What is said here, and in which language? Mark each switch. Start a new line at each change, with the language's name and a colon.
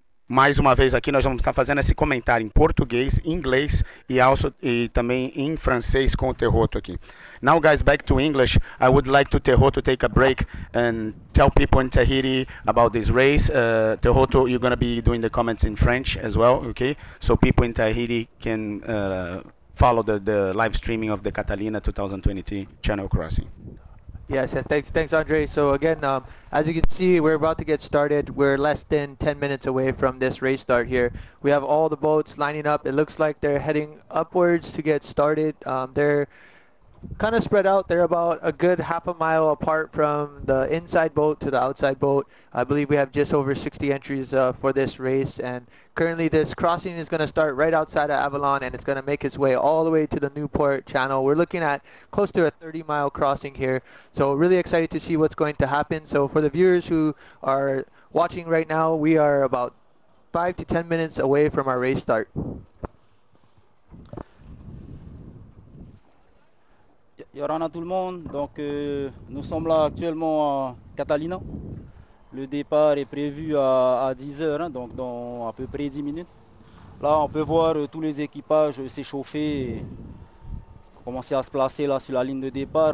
Portuguese: Mais uma vez aqui, nós vamos estar fazendo esse comentário em português, inglês e também em francês com o Tehoto aqui.
English: Now guys, back to English. I would like to Tehoto take a break and tell people in Tahiti about this race. Tehoto, you're going to be doing the comments in French as well, okay? So people in Tahiti can follow the live streaming of the Catalina 2023 Channel Crossing. Yes, and thanks, Andre. So again, as you can see, we're about to get started. We're less than 10 minutes away from this race start here. We have all the boats lining up. It looks like they're heading upwards to get started. They're kind of spread out. They're about a good half a mile apart from the inside boat to the outside boat. I believe we have just over 60 entries for this race. And currently, this crossing is going to start right outside of Avalon, and it's going to make its way all the way to the Newport Channel. We're looking at close to a 30-mile crossing here. So really excited to see what's going to happen. So for the viewers who are watching right now, we are about 5 to 10 minutes away from our race start.
French: Yorana tout le monde, donc nous sommes là actuellement à Catalina. Le départ est prévu à 10h, hein, donc dans à peu près 10 minutes. Là on peut voir tous les équipages s'échauffer, commencer à se placer là sur la ligne de départ.